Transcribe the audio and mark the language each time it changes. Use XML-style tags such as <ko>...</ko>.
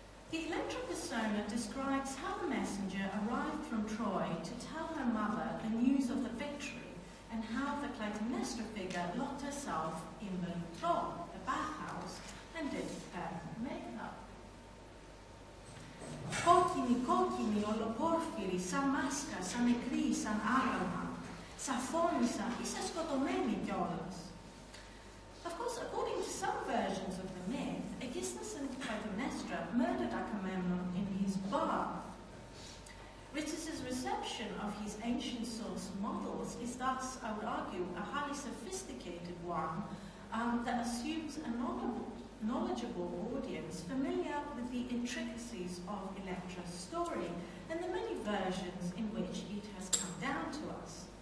<en>The Electra persona describes how the messenger arrived from Troy to tell her mother the news of the victory, and how the Clytemnestra figure locked herself in the floor, the bathhouse, and did her makeup.</en> <el>Κόκκινη, κόκκινη, ολοπόρφυρη, σαν μάσκα, σαν νεκρή, σαν άγαλμα, σαν φόνησα, είσαι σκοτωμένη κιόλας.</el> <en>Of course, according to some versions of the myth, Aegisthus and Clytemnestra murdered Agamemnon in his bath. Rizos's reception of his ancient source models is thus, I would argue, a highly sophisticated one that assumes a knowledgeable audience familiar with the intricacies of Electra's story and the many versions in which it has come down to us.</en>